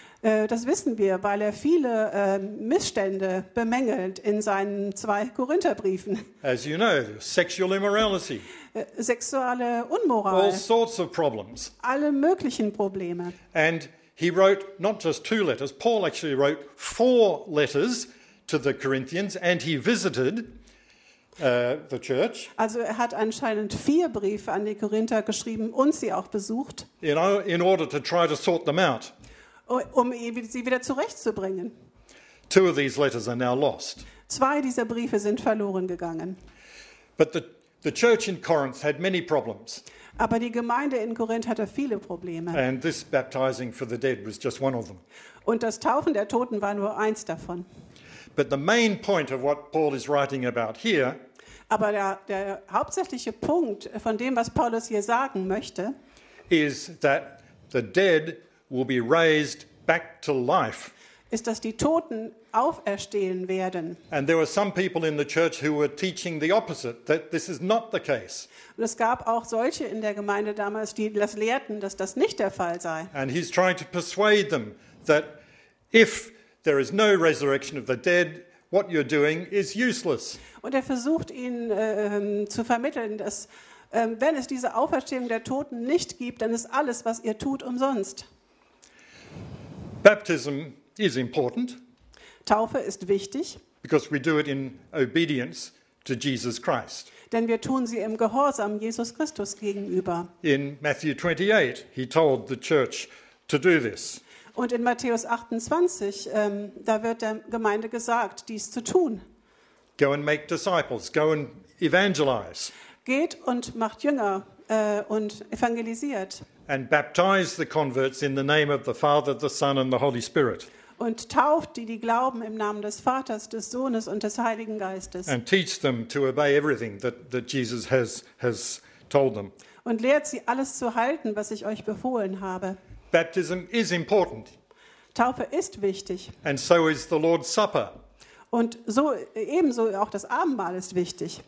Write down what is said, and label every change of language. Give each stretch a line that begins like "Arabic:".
German: Das wissen wir, weil er viele Missstände bemängelt in seinen zwei Korintherbriefen.
English: As you know, sexual immorality.
German: Sexuelle Unmoral.
English: All sorts of problems.
German: Alle möglichen Probleme.
English: And he wrote not just two letters. Paul actually wrote four letters to the Corinthians, and he visited the church.
German: Also er hat anscheinend vier Briefe an die Korinther geschrieben und sie auch besucht.
English: In order to try to sort them out.
German: Um sie wieder zurechtzubringen.
English: Two of these letters are now lost.
German: Zwei dieser Briefe sind verloren gegangen.
English: But the church in Corinth had many problems.
German: Aber die Gemeinde in Korinth hatte viele Probleme.
English: And this baptizing for the dead was just one of them.
German: Und das Taufen der Toten war nur eins davon.
English: But the main point of what Paul is writing about here.
German: Aber der hauptsächliche Punkt von dem, was Paulus hier sagen möchte,
English: is that the dead will be raised back to life.
German: Ist, dass die Toten auferstehen werden.
English: And there were some people in the church who were teaching the opposite, that this is not the case.
German: Und es gab auch solche in der Gemeinde damals, die das lehrten, dass das nicht der Fall sei.
English: And he's trying to persuade them that if there is no resurrection of the dead, what you're doing is useless.
German: Und er versucht ihnen zu vermitteln, dass wenn es diese Auferstehung der Toten nicht gibt, dann ist alles, was ihr tut, umsonst.
English: Baptism is important.
German: Taufe ist wichtig.
English: Because we do it in obedience to Jesus Christ.
German: Denn wir tun sie im Gehorsam Jesus Christus gegenüber.
English: In Matthew 28, he told the church to do this.
German: Und in Matthäus 28, da wird der Gemeinde gesagt, dies zu tun.
English: Go and make disciples. Go and evangelize.
German: Geht und macht Jünger und evangelisiert.
English: And baptize the converts in the name of the Father, the Son and the Holy Spirit.
German: Und tauft die glauben im Namen des Vaters, des Sohnes und des Heiligen Geistes.
English: And teach them to obey everything that Jesus has told them.
German: Und lehrt sie alles zu halten, was ich euch befohlen habe.
English: Baptism is important.
German: Taufe ist wichtig.
English: And so is the Lord's Supper.
German: Und so ebenso auch das Abendmahl ist wichtig.